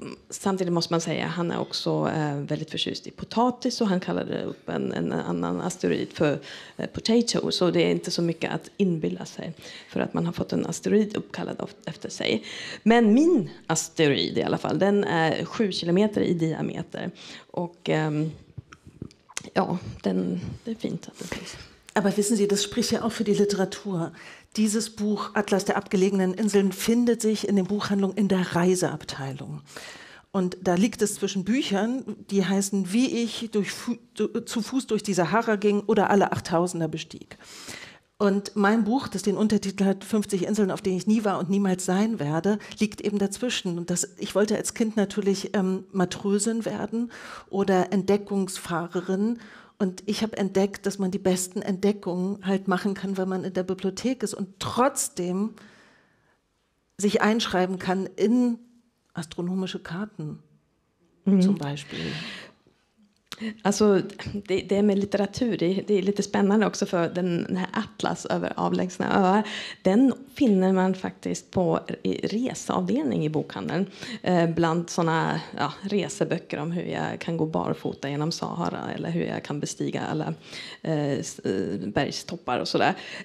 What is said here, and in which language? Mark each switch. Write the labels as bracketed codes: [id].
[sv] samtidigt måste man säga att han är också väldigt förtjust i potatis, och han kallade upp en annan asteroid för potato. Så det är inte så mycket att inbilla sig för att man har fått en asteroid uppkallad efter sig. Men min asteroid i alla fall, den är 7 kilometer i diameter. Och ja, det är fint att det finns. [de] Aber wissen Sie, das spricht ja auch für die Literatur. Dieses Buch, Atlas der abgelegenen Inseln, findet sich in den Buchhandlungen in der Reiseabteilung. Und da liegt es zwischen Büchern, die heißen Wie ich zu Fuß durch die Sahara ging oder Alle 8000er bestieg. Und mein Buch, das den Untertitel hat 50 Inseln, auf denen ich nie war und niemals sein werde, liegt eben dazwischen. Und das, ich wollte als Kind natürlich Matrösin werden oder Entdeckungsfahrerin. Und ich habe entdeckt, dass man die besten Entdeckungen halt machen kann, wenn man in der Bibliothek ist und trotzdem sich einschreiben kann in astronomische Karten, zum Beispiel. [sv] Alltså det är med litteratur, det är lite spännande också, för den här Atlas över avlägsna öar, den finner man faktiskt på reseavdelning i bokhandeln, bland sådana, ja, reseböcker om hur jag kan gå barfota genom Sahara eller hur jag kan bestiga alla bergstoppar och sådär.